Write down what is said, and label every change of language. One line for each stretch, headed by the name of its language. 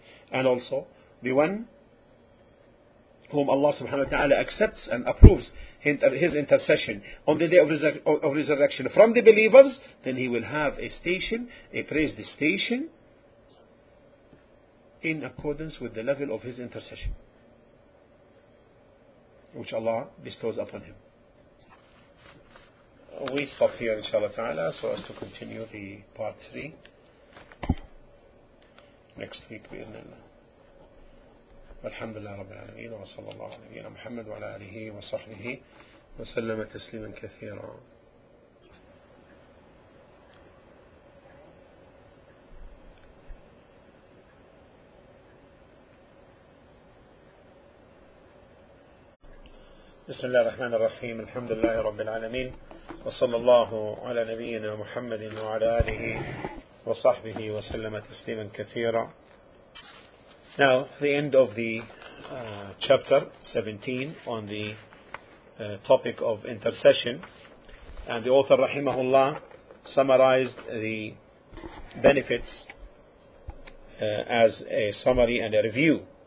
English: And also, the one whom Allah subhanahu wa ta'ala accepts and approves his intercession on the day of resurrection from the believers, then he will have a station, a praised station, in accordance with the level of his intercession, which Allah bestows upon him. We stop here inshallah ta'ala, so as to continue the part 3 next week bi'idhnillah.
Arabic: الحمد لله رب العالمين وصلى الله على نبينا محمد وعلى آله وصحبه وسلم تسليما كثيرا. بسم الله الرحمن الرحيم. الحمد لله رب العالمين وصلى الله على نبينا محمد وعلى آله وصحبه وسلم تسليما كثيرا.
English: Now, the end of the chapter 17 on the topic of intercession. And the author, rahimahullah, summarized the benefits as a summary and a review.